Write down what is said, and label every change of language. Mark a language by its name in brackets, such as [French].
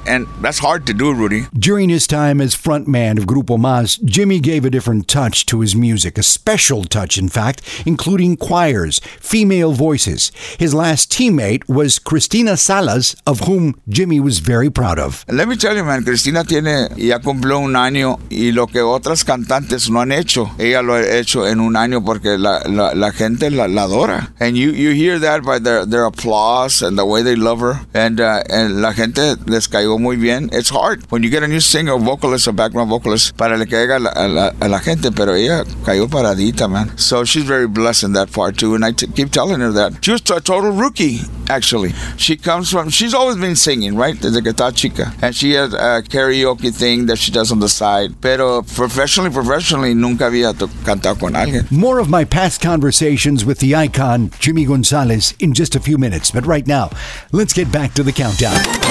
[English] And that's hard to do, Rudy. During his time as frontman of Grupo Mas, Jimmy gave a different touch to his music, a special touch, in fact, including choirs, female voices. His last teammate was Cristina Salas, of whom Jimmy was very proud of. Let me tell you, man, [Spanish] Cristina tiene ya cumplió un año y lo que otras cantantes no han hecho, ella lo ha hecho en un año porque la gente la adora. [English] And you hear that by their applause and the way they love her. And [Spanish] la gente les cayó muy bien. [English] It's hard when you get a new singer, vocalist, a background vocalist, [Spanish] para le caiga a la gente, pero ella cayó paradita, [English] man. So she's very blessed in that part too, and I keep telling her that. She was a total rookie, actually. She's always been singing, right? [Spanish] Desde que está chica. [English] And she has a karaoke thing that she does on the side. [Spanish] Pero professionally, nunca había cantado con alguien. [English] More of my past conversations with the icon, Jimmy Gonzalez, in just a few minutes. But right now, let's get back to the countdown.